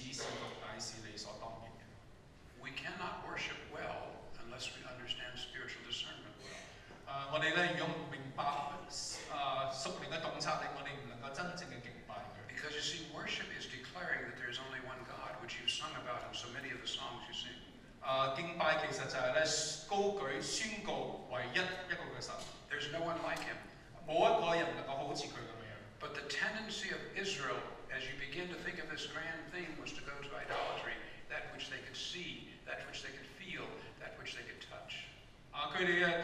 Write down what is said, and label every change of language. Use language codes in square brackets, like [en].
[yue] 羅馬書第12章第1同埋第2節咁樣講，所以弟兄們，我以神嘅慈悲勸你哋，將身體獻上當作活祭，是聖潔嘅，係上帝所喜悅。你們如此侍奉，乃是理所當然嘅。 [en] We cannot worship well unless we understand spiritual discernment well. [yue] 我哋咧如果唔明白屬靈嘅洞察力，我哋唔能夠真正嘅敬拜佢。 [en] Because you see, worship is declaring that there is only one God, which you've sung about in so many of the songs you sing. [yue] 敬拜其實就係咧高舉宣告唯一一個嘅神。 [en] There's no one like him. [yue] 冇一個人能夠好似佢咁樣。 [en] But the tendency of Israel, as you begin to think of this grand theme, was to go to idolatry, that which they could see, that which they could feel, that which they could touch.